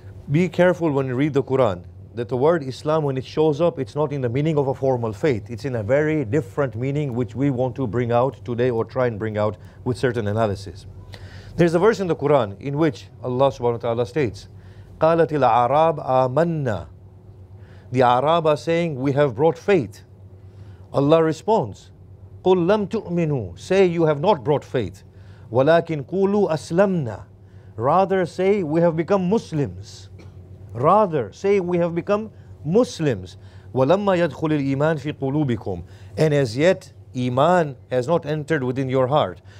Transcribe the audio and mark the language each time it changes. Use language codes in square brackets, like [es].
[en] Be careful when you read the Quran, that the word Islam, when it shows up, it's not in the meaning of a formal faith. It's in a very different meaning, which we want to bring out today, or try and bring out with certain analysis. There's a verse in the Quran in which Allah subhanahu wa ta'ala states, [ar] قَالَتِ الْعَرَابِ آمَنَّا. [en] The Arab are saying, we have brought faith. Allah responds, [ar] قُلْ لَمْ تُؤْمِنُوا. [en] Say, you have not brought faith. [ar] وَلَكِنْ قُولُوا أَسْلَمْنَا. [en] Rather say, we have become Muslims. Rather say, we have become Muslims. [ar] وَلَمَّا يَدْخُلِ الْإِيمَانِ فِي قُلُوبِكُمْ. [en] And as yet, Iman has not entered within your heart.